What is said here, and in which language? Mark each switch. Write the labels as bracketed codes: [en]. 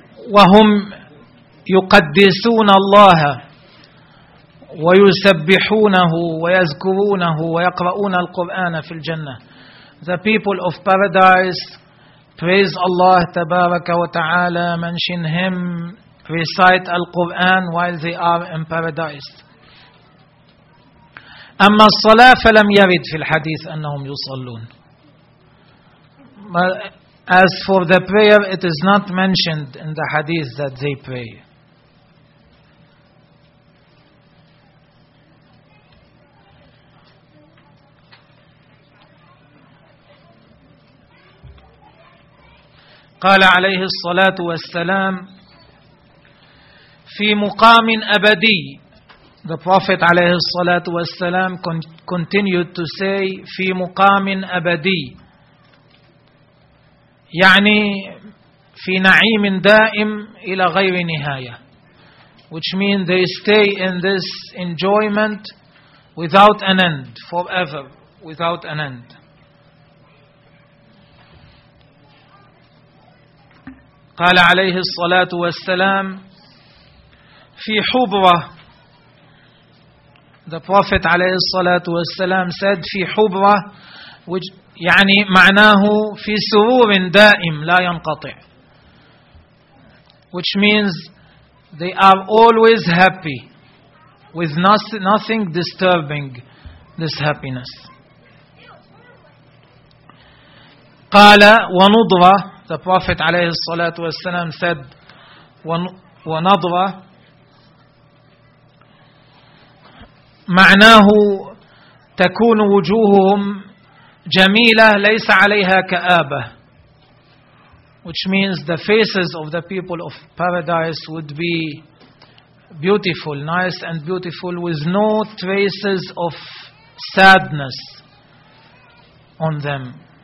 [ar] وهم يقدسون الله ويسبحونه ويذكرونه ويقرؤون القرآن في الجنة. [en] The people of paradise praise Allah Tabaraka wa Ta'ala, mention Him, recite Al-Qur'an while they are in paradise. [ar] أما الصلاة فلم يرد في الحديث أنهم يصلون. [en] As for the prayer, it is not mentioned in the hadith that they pray. [ar] قال عليه الصلاة والسلام في مقام أبدي. [en] The Prophet عليه الصلاة والسلام continued to say [ar] في مقام أبدي يعني في نعيم دائم إلى غير نهاية, [en] which means they stay in this enjoyment without an end, forever without an end. [ar] قال عليه الصلاة والسلام في حبرة. [en] The Prophet عليه الصلاة والسلام said [ar] في حبرة, [en] which [ar] يعني معناه في سرور دائم لا ينقطع, [en] which means they are always happy with nothing disturbing this happiness. [ar] قال ونضرة. [en] The Prophet [ar] عليه الصلاة والسلام [en] said [ar] ونضرة معناه تكون وجوههم جميلة ليس عليها كآبة, [en] which means the faces of the people of paradise would be beautiful, nice and beautiful, with no traces of sadness on them.